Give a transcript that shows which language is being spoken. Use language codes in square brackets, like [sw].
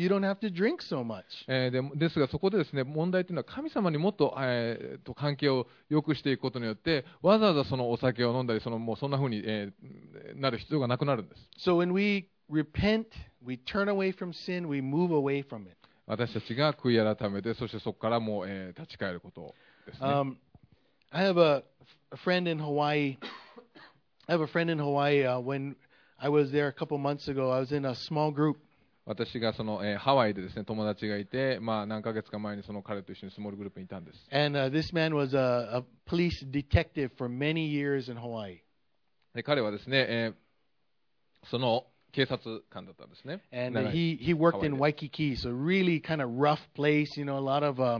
[en] You don't have to drink so much. [ja] ですがそこでですね、問題というのは神様にもっと、と関係を良くしていくことによって、わざわざそのお酒を飲んだり、そのもうそんな風に、なる必要がなくなるんです。 [en] So when we repent, we turn away from sin, we move away from it. [ja] 私たちが悔い改めて、そしてそこからもう、立ち返ることですね。 [en] I have a friend in Hawaii. I have a friend in Hawaii. When I was there a couple months ago, I was in a small group. [ja] 私がその、ハワイでですね、友達がいて、まあ何ヶ月か前にその彼と一緒にスモールグループにいたんです。 [en] And this man was a police detective for many years in Hawaii. [ja] で彼はですね、その警察官だったんですね。 [en] And he worked in Waikiki, so really kind of rough place, you know, a lot of